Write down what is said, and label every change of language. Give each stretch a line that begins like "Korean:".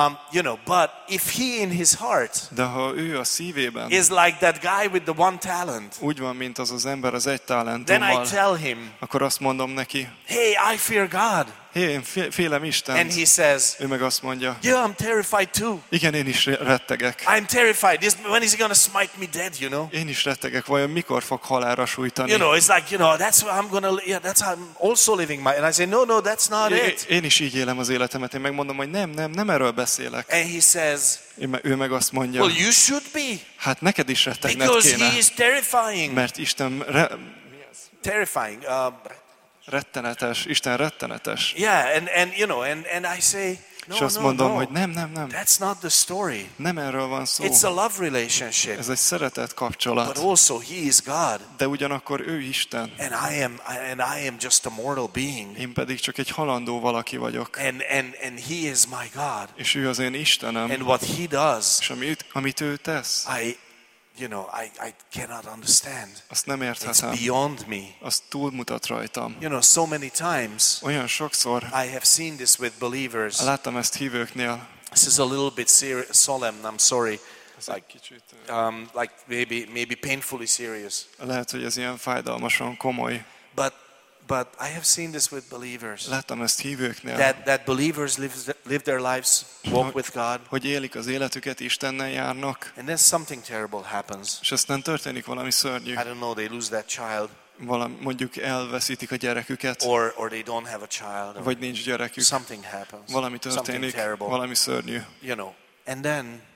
English: You know, but if he in his heart is like that guy with the one talent,
Hungarian: úgy van, mint az ember az egy talentummal,
English: then I tell him,
Hungarian: akkor azt mondom neki,
English: hey, I fear God.
Hungarian: Hey, én félem Istent.
English: And he says,
Hungarian: ő meg azt mondja,
English: yeah, I'm terrified too.
Hungarian: Igen, én is rettegek.
English: I'm terrified. When is he gonna smite me dead, you know?
Hungarian: Én is rettegek, vajon mikor fog halálra sújtani?
English: You know, it's like, you know, that's how I'm also living my, and I say, no, that's not it.
Hungarian: Én is így élem az életemet, én megmondom, hogy nem erről beszélek.
English: And he says,
Hungarian: ő meg azt mondja,
English: well, you should be.
Hungarian: Hát neked is rettegned kéne.
English: Because he is terrifying.
Hungarian: Mert Isten
English: terrifying.
Hungarian: Rettenetes, Isten rettenetes.
English: Yeah, and you know, and I say, no,
Hungarian: és azt mondom, hogy nem.
English: That's not the story.
Hungarian: Nem erről van szó.
English: It's a love relationship.
Hungarian: Ez egy szeretet kapcsolat.
English: But also he is God.
Hungarian: De ugyanakkor ő Isten.
English: And I am just a mortal being.
Hungarian: Én pedig csak egy halandó valaki vagyok.
English: And he is my God.
Hungarian: És ő az én Istenem.
English: And what he does.
Hungarian: És amit ő tesz.
English: I cannot understand.
Hungarian: Azt nem érthetem.
English: It's beyond me.
Hungarian: Azt túlmutat rajtam.
English: You know, so many times.
Hungarian: Olyan sokszor.
English: I have seen this with believers.
Hungarian: Láttam ezt hívőknél.
English: This is a little bit solemn. I'm sorry.
Hungarian: Ez egy kicsit.
English: Like maybe painfully serious.
Hungarian: Lehet, hogy ez ilyen fájdalmasan komoly.
English: But I have seen this with believers.
Hungarian: Láttam ezt hívőknél.
English: That believers live their lives, walk with God.
Hungarian: Hogy élik az életüket, Istennel járnak.
English: And then something terrible happens.
Hungarian: És aztán történik valami szörnyű.
English: I don't know, they lose that child.
Hungarian: Mondjuk elveszítik a gyereküket.
English: Or they don't have a child.
Hungarian: Vagy nincs gyerekük.
English: Something happens.
Hungarian: Valami történik. Valami szörnyű.
English: You know. And then.